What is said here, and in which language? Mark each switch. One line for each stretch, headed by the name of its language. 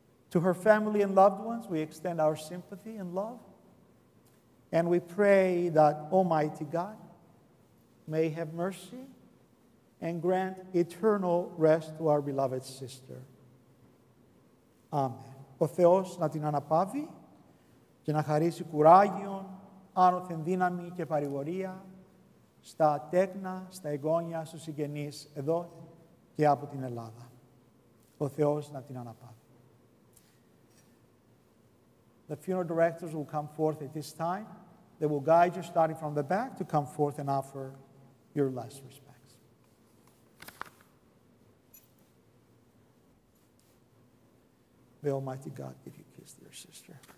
English: To her family and loved ones, we extend our sympathy and love. And we pray that Almighty God may have mercy and grant eternal rest to our beloved sister. Amen.
Greek: Ο Θεός να την αναπαύει και να χαρίσει κουράγιον, άνωθεν δύναμη και παρηγορία στα τέκνα, στα εγγόνια, στους συγγενείς εδώ και από την Ελλάδα. Ο Θεός να την αναπαύει.
English: The funeral directors will come forth at this time. They will guide you starting from the back to come forth and offer your last respect. May Almighty God give you kiss to your sister.